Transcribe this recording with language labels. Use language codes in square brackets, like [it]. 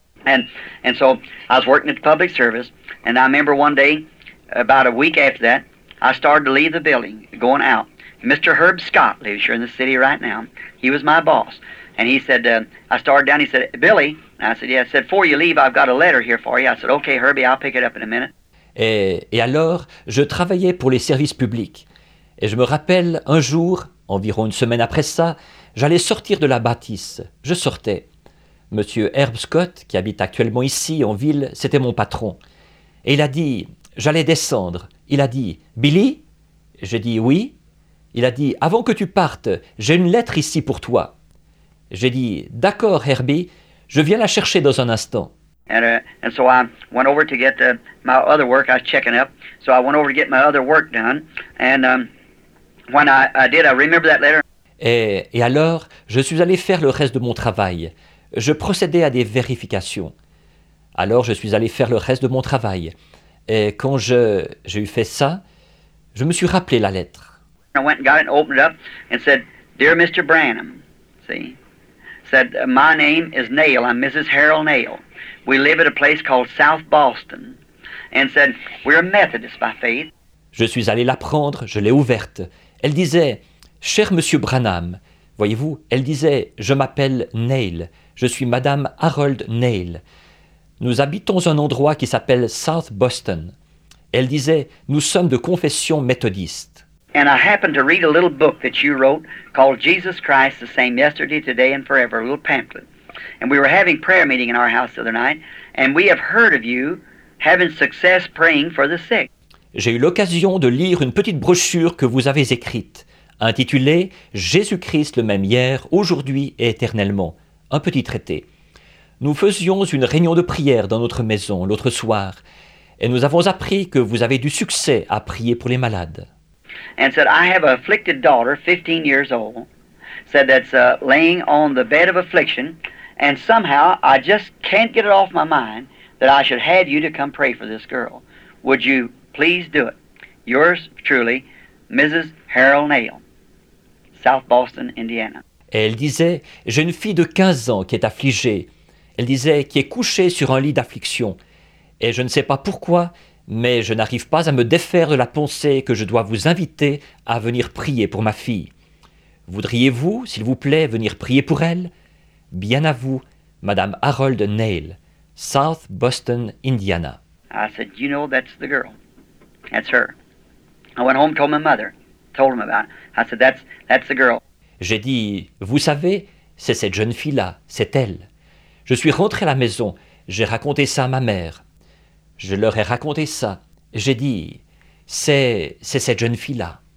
[en] And so, I was working at the public service, and I remember one day, about a week after that, I started to leave the building, going out. Mr. Herb Scott lives here in the city right now. He was my boss. And he said, I started down, he said, Billy, and I said, yeah, I said, before you leave, I've got a letter here for you. I said, okay, Herbie, I'll pick it up in a minute. [fr] Et alors, je travaillais pour les services publics. Et je me rappelle, un jour, environ une semaine après ça, j'allais sortir de la bâtisse. Je sortais. Monsieur Herb Scott, qui habite actuellement ici, en ville, c'était mon patron. Et il a dit, j'allais descendre. Il a dit, Billy? J'ai dit, oui. Il a dit, avant que tu partes, j'ai une lettre ici pour toi. J'ai dit, d'accord, Herbie, je viens la chercher dans un instant. [en] And so I went over to get my other work, I was checking up, so I went over to get my other work done, and when I did, I remember that letter. [fr] Et alors, je suis allé faire le reste de mon travail. Je procédais à des vérifications. Alors, je suis allé faire le reste de mon travail. Et quand j'ai eu fait ça, je me suis rappelé la lettre. [en] I went and got it and opened it up and said, Dear Mr. Branham, see, said, my name is Nail, I'm Mrs. Harold Nail. We live at a place called South Boston. And said, we're a Methodist by faith. [fr] Je suis allé la prendre, je l'ai ouverte. Elle disait, cher Monsieur Branham, voyez-vous, elle disait, je m'appelle Nail. Je suis Madame Harold Nail. Nous habitons un endroit qui s'appelle South Boston. Elle disait, nous sommes de confession méthodiste. [en] And I happened to read a little book that you wrote called Jesus Christ, the same yesterday, today, and forever, a little pamphlet. And we were having prayer meeting in our house the other night, and we have heard of you having success praying for the sick. [fr] J'ai eu l'occasion de lire une petite brochure que vous avez écrite, intitulée Jésus-Christ le même hier, aujourd'hui et éternellement. Un petit traité. Nous faisions une réunion de prière dans notre maison l'autre soir et nous avons appris que vous avez du succès à prier pour les malades. [en] And said, I have an afflicted daughter, 15 years old, said that's laying on the bed of affliction and somehow I just can't get it off my mind that I should have you to come pray for this girl. Would you please do it? Yours truly, Mrs. Harold Nail, South Boston, Indiana. [fr] Et elle disait, j'ai une fille de 15 ans qui est affligée. Elle disait, qui est couchée sur un lit d'affliction. Et je ne sais pas pourquoi, mais je n'arrive pas à me défaire de la pensée que je dois vous inviter à venir prier pour ma fille. Voudriez-vous, s'il vous plaît, venir prier pour elle? Bien à vous, Madame Harold Nail, South Boston, Indiana. [en] I said, you know, that's the girl. That's her. I went home, told my mother, told him about it. I said, that's the girl. [fr] J'ai dit, vous savez, c'est cette jeune fille-là, c'est elle. Je suis rentré à la maison, j'ai raconté ça à ma mère. Je leur ai raconté ça. J'ai dit, c'est cette jeune fille-là.